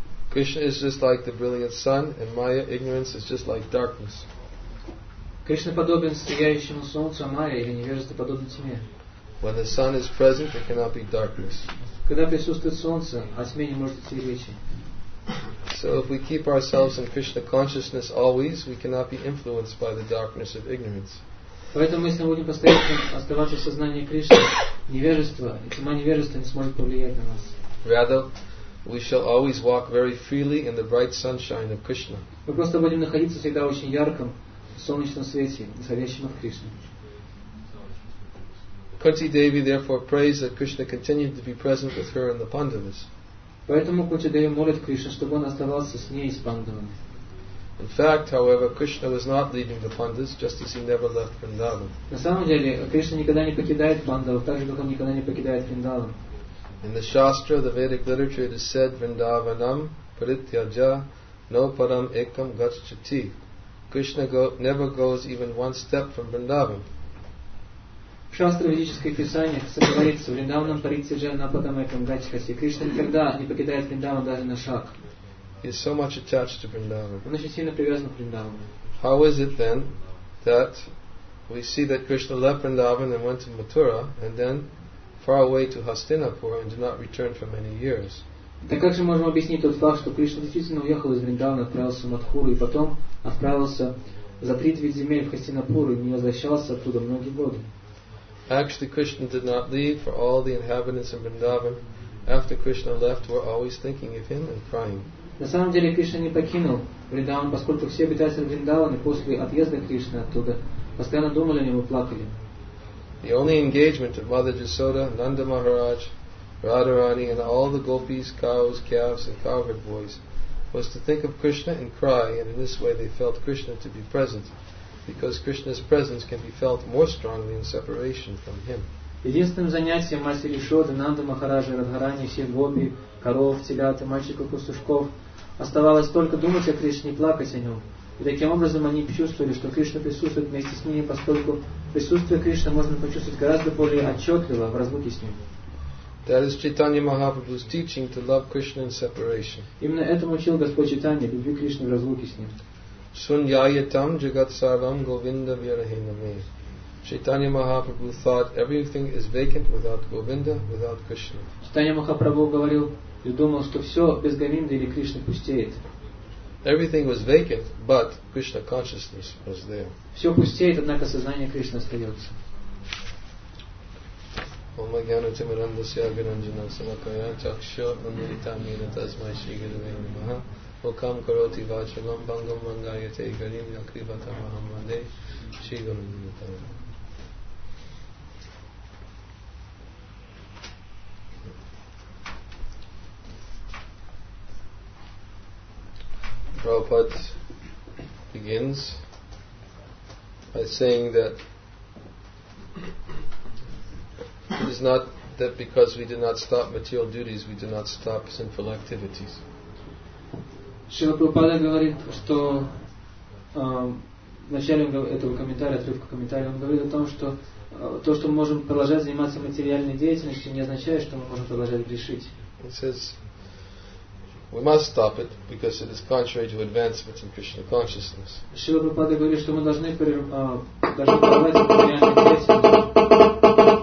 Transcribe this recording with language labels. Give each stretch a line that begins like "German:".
English: Krishna is just like the brilliant sun, and Maya, ignorance, is just like darkness.
Russian: Кришна подобен сияющему солнцу Майе или невежество подобно тьме.
English: When the sun is present, there cannot be darkness.
Russian: Когда присутствует солнце, о тьме не может идти речи.
English: So if we keep ourselves in Krishna consciousness always, we cannot be influenced by the darkness of ignorance.
Russian: Поэтому если мы будем постоянно оставаться в сознании Кришны, невежество и тьма невежества не сможет повлиять на нас.
English: Rather, we shall always walk very freely in the bright sunshine of Krishna.
Russian: Мы просто будем находиться всегда в очень ярком солнечном свете, исходящем от Кришны.
English: Kunti Devi therefore prays that Krishna continue to be present with her and the Pandavas.
Russian: Поэтому Кунти Деви молит Кришну, чтобы он оставался с ней и с Пандавами.
English: In fact, however, Krishna was not leaving the Pandavas, just as he never left Vrindavan.
Russian: На самом деле, Кришна никогда не покидает Пандаву, так же как он никогда не покидает Вриндаван.
English: In the Shastra, the Vedic literature, it is said,
Sanskrit: Vrindavanam parityaja no param ekam gacchati.
English: Krishna never goes even one step from Vrindavan.
Russian: Шастра ведическое писание говорится,
Sanskrit: Вриндаванам парityaja no param ekam gacchati.
Russian: Кришна никогда не покидает Вриндаван даже на шаг.
English: He is so much attached to Vrindavan.
Russian: Он очень сильно привязан к Вриндавану.
English: How is it then that we see that Krishna left Vrindavan and went to Mathura and then far away to Hastinapur and did not return for many years?
Russian: Так как же можно объяснить тот факт, что Кришна действительно уехал из Вриндавана, отправился в Матхуру и потом отправился за 39 земель в Хастинапур и не возвращался оттуда многие годы?
English: Actually, Krishna did not leave, for all the inhabitants of Vrindavan after Krishna left were always thinking of him and crying.
Russian: На самом деле Кришна не покинул Вриндаван, поскольку все обитатели Вриндавана после отъезда Кришны оттуда постоянно думали о нем и плакали.
English: The only engagement of Mother Jasoda, Nanda Maharaj, Radharani and all the gopis, cows, calves and cowherd boys was to think of Krishna and cry, and in this way they felt Krishna to be present, because Krishna's presence can be felt more strongly in separation from him.
Russian: Единственным занятием Матери Ишоды, Нанды Махараджи, Радхарани, всех гопи, коров, телят, мальчиков, пастушков оставалось только думать о Кришне и плакать о нем. И таким образом они чувствовали, что Кришна присутствует вместе с ними, поскольку присутствие Кришны можно почувствовать гораздо более отчетливо в разлуке с ним.
English: That is Chaitanya Mahaprabhu's teaching to love Krishna in separation.
Russian: Именно этому учил Господь Чайтанья, любви Кришны в разлуке с ним.
Sanskrit: Суньяйатам джагат сарвам говинда вирахинаме.
English: Chaitanya Mahaprabhu thought everything is vacant without Govinda, without Krishna.
Russian: Chaitanya Mahaprabhu говорил и думал, что все без Говинды или Кришны пустеет.
English: Everything was vacant, but Krishna consciousness was there.
Russian: Все пустеет, однако сознание Кришны остается.
Sanskrit: Om Agyana Timuranda Syagiranjana Samakaya Chaksha Unmuritami Natasmai Shri Gurave Namaha Okam Karoti Vachalam Bangam Mangayate Garim Yakrivata Mahamade Shri Gurave Namaha.
English: Prabhupada begins by saying that it is not that because we do not stop material duties, we do not stop sinful activities.
Russian: Шрила Прабхупада говорит, что в начале этого комментария, отрывка комментария, он говорит о том, что то, что мы можем продолжать заниматься материальной деятельностью, не означает, что мы можем продолжать грешить.
English: We must stop it because it is contrary to advancements in Krishna consciousness.
Russian: Шрила Прабхупада говорит, что мы должны прервать материальные действия.